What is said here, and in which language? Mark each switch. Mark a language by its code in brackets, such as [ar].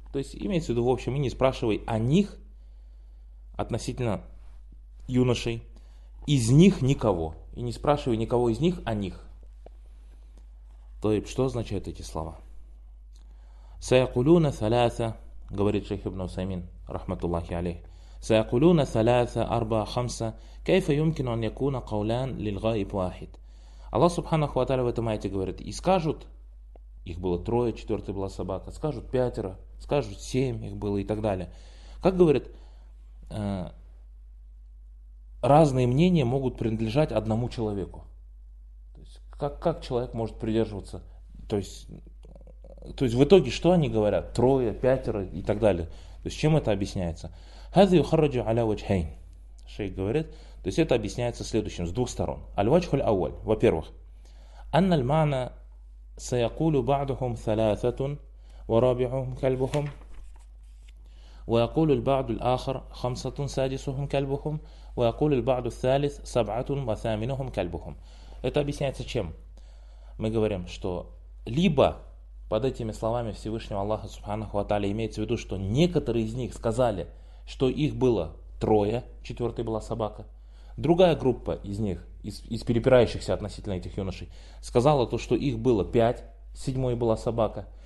[ru] То есть имеется в виду, в общем, и не спрашивай о них относительно юношей, из них никого. И не спрашивай никого из них о них. То есть что означают эти слова? [ar] Саякулюна саляса, [ru] говорит шейх ибн Усаймин, рахматуллахи алейх. [ar] سيقولون ثلاثة أربعة خمسة كيف يمكن أن يكون قولان للغائب واحد. [ru] Аллах Субханаху ва Тааля в этом аяте говорит, и скажут, их было трое, четвертый была собака, скажут пятеро, скажут семь их было и так далее. Как говорят, разные мнения могут принадлежать одному человеку. То есть как человек может придерживаться, то есть в итоге что они говорят, трое, пятеро и так далее. То есть чем это объясняется? [ar] هذا يخرج على وجهين. [ru] Шейх говорит, то есть это объясняется следующим, с двух сторон. [ar] الوجه الأول, [ru] во-первых, [ar] أن المعنى سيقول بعضهم ثلاثة ورابعهم كلبهم ويقول البعض الآخر خمسة سادسهم كلبهم ويقول البعض الثالث سبعة وثامنهم كلبهم. [ru] Это объясняется чем? Мы говорим, что либо под этими словами Всевышнего Аллаха Субханаху ва Тааля имеется в виду, что некоторые из них сказали, что их было трое, четвертой была собака. Другая группа из них, из перепирающихся относительно этих юношей, сказала то, что их было пять, седьмой была собака.